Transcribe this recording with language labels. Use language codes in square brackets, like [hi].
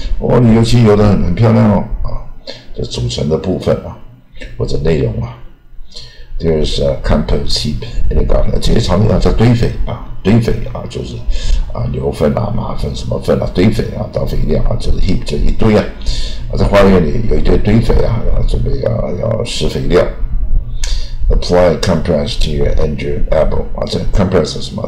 [zh] 哦，你油漆油的很漂亮哦，啊，这组成的部分啊，或者内容啊。 [en] There is a compost heap in the garden. [zh] 这些常用啊，叫堆肥啊。堆肥啊，就是啊，牛粪啊、马粪什么粪啊，堆肥啊，当肥料啊，就是 heap 这一堆啊，在花园里有一堆堆肥啊，准备要施肥料。 [en] Apply compress to your injured elbow 啊，这 compress [zh] 是什么？